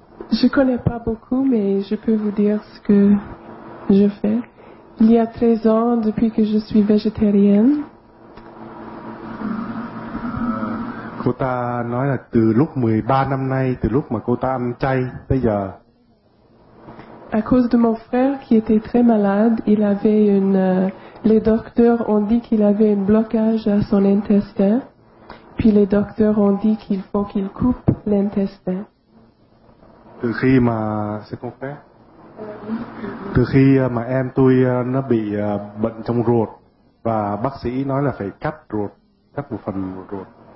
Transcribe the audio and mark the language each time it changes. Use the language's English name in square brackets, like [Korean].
[French] Je connais pas beaucoup, mais je peux vous dire ce que je fais. Il y a 13 ans depuis que je suis végétarienne. [Vietnamese] Cô ta nói là từ lúc 13 năm nay, từ lúc mà cô ta ăn chay tới giờ. [French] À cause de mon frère qui était très malade, il avait une les docteurs ont dit qu'il avait un blocage à son intestin. Puis les docteurs ont dit qu'il faut qu'il coupe l'intestin. [Vietnamese] Từ khi mà [French] c'est ton frère. [Vietnamese] Từ khi mà em tôi nó bị bệnh trong ruột và bác sĩ nói là phải cắt ruột, cắt một phần ruột.